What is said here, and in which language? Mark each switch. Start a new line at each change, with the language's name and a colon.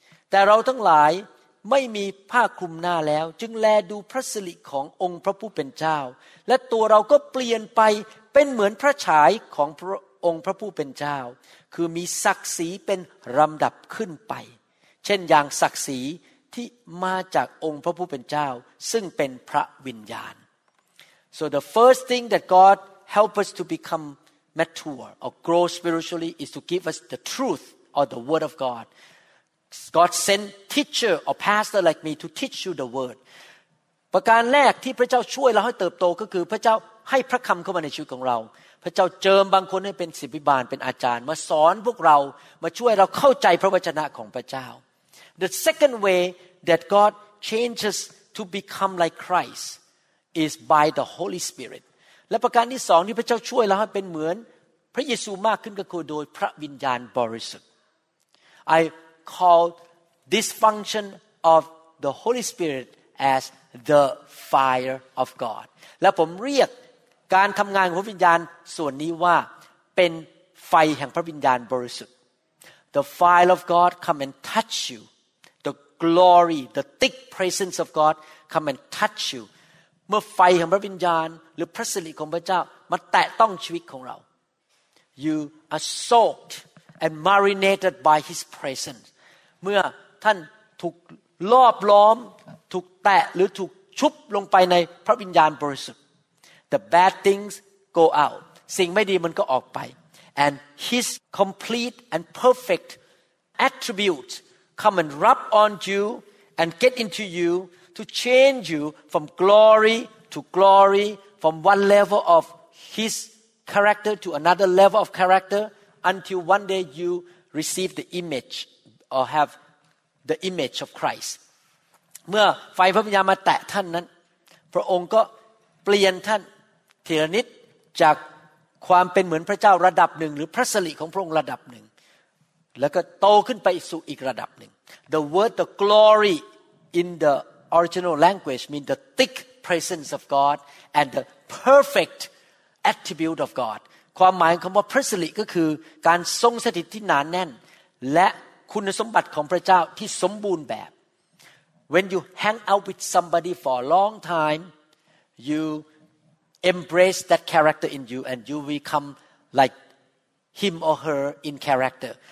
Thai: แต่เราทั้งหลายไม่มีผ้าคลุมหน้าแล้วจึงแลดูพระสิริขององค์พระผู้เป็นเจ้าและตัวเราก็เปลี่ยนไปเป็นเหมือนพระฉายของพระองค์พระผู้เป็นเจ้าคือมีศักดิ์ศรีเป็นลำดับขึ้นไปเช่นอย่างศักดิ์ศรีที่มาจากองค์พระผู้เป็นเจ้าซึ่งเป็นพระวิญญาณ
English: So the first thing that God help us to become mature or grow spiritually is to give us the truth or the word of God. God sent teacher or pastor like me to teach you the word.
Thai: ประการแรกที่พระเจ้าช่วยเราให้เติบโตก็คือพระเจ้าให้พระคำเข้ามาในชีวิตของเราพระเจ้าเจิมบางคนให้เป็นศิษย์ภิบาลเป็นอาจารย์มาสอนพวกเรามาช่วยเราเข้าใจพระวจนะของพระเจ้า
English: The second way that God changes to become like Christ is by the Holy Spirit.
Thai: และประการที่สองที่พระเจ้าช่วยเราให้เป็นเหมือนพระเยซูมากขึ้นก็คือโดยพระวิญญาณบริสุทธิ์
English: I call this function of the Holy Spirit as the fire of God.
Thai: และผมเรียกการทำงานของพระวิญญาณส่วนนี้ว่าเป็นไฟแห่งพระวิญญาณบริสุทธิ์
English: The fire of God come and touch you. The glory, the thick presence of God come and touch you.
Thai: เมื่อไฟของพระวิญญาณหรือพระสิริของพระเจ้ามาแตะต้องชีวิตของเรา
English: You are soaked and marinated by His presence.
Thai: เมื่อท่านถูกลอบล้อมถูกแตะหรือถูกชุบลงไปในพระวิญญาณบริสุทธิ์
English: The bad things go out.
Thai: สิ่งไม่ดีมันก็ออกไป
English: And His complete and perfect attributes come and rub on you and get into you to change you from glory to glory, from one level of His character to another level of character, until one day you receive the image or have the image of Christ.
Thai: เมื่อไฟพระวิญญาณมาแตะท่านนั้นพระองค์ก็เปลี่ยนท่านทีละนิดจากความเป็นเหมือนพระเจ้าระดับหนึ่งหรือพระสิริของพระองค์ระดับหนึ่ง แล้วก็โตขึ้นไปสู่อีกระดับหนึ่ง
English: The word the glory in the original language means the thick presence of God and the perfect attribute of God
Thai: ความหมายคำว่าพระสิริก็คือการทรงสถิตที่หนาแน่นและคุณสมบัติของพระเจ้าที่สมบูรณ์แบบ
English: When you hang out with somebody for a long time youEmbrace that character in you, and you become like him or her in character.